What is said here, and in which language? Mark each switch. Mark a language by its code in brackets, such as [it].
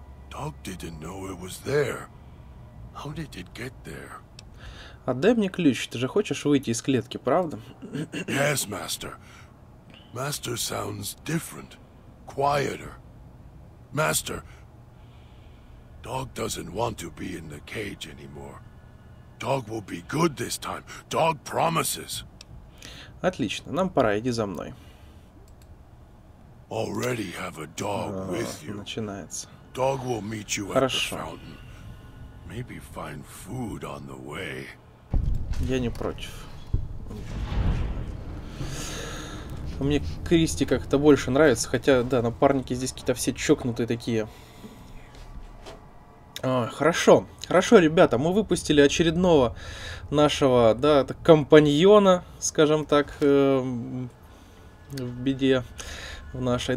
[en] Dog didn't know it was there. How did it get there? [ru] Отдай мне ключ, ты же хочешь выйти из клетки, правда? [en] Yes, Master. Master sounds different, quieter. Master, Dog doesn't want to be in the cage anymore. Dog will be good this time. Dog promises. [ru] Отлично, нам пора, иди за мной. [en] Already have a dog with you. [ru] Начинается. [en] Dog will meet you at the fountain. Maybe find food on the way. [ru] Я не против. Мне Кристи как-то больше нравится, хотя, да, напарники здесь какие-то все чокнутые такие. А, хорошо, хорошо, ребята, мы выпустили очередного нашего, да, компаньона, скажем так, в беде в нашей.